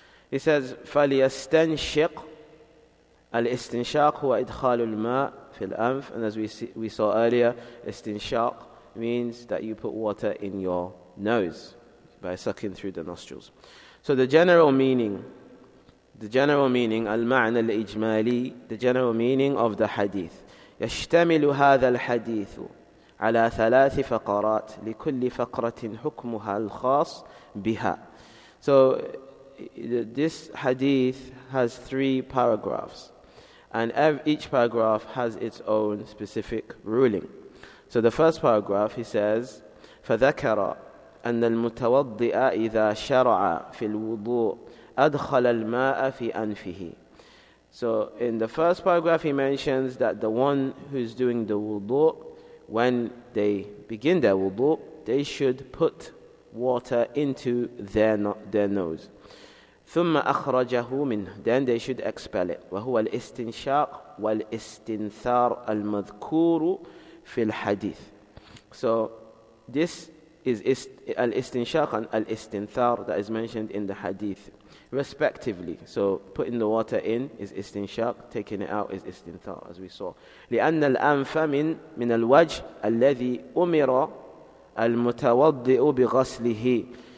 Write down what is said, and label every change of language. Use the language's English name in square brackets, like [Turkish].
[English] He says, [Arabic] فليستنشق الاستنشاق هو إدخال الماء في الأنف. [English] And as we saw earlier, استنشاق means that you put water in your nose by sucking through the nostrils. So the general meaning, [Arabic] المعنى الإجمالي, [English] the general meaning of the hadith. [Arabic] يشتمل هذا الحديث على ثلاث فقرات لكل فقرة حكمها الخاص بها. [English] So this hadith has three paragraphs, and each paragraph has its own specific ruling. So the first paragraph, he says, [Arabic] فذكر أن المتوضئ إذا شرع في الوضوء أدخل الماء في أنفه. [English] So in the first paragraph, he mentions that the one who's doing the wudu, when they begin their wudu, they should put water into their nose. [Arabic] ثم أخرجه منه. [English] Then they should expel it. [Arabic] وهو الاستنشاق والاستنثار المذكور في الحديث. [English] So this is al-istinshaq and al-istinthar that is mentioned in the hadith, respectively. So putting the water in is istinshaq, taking it out is istinthar, as we saw. [Arabic] لِأَنَّ الْأَنْفَ مِنَ الْوَجْهِ الَّذِي أُمِرَ الْمُتَوَضِّئُ بِغَسْلِهِ.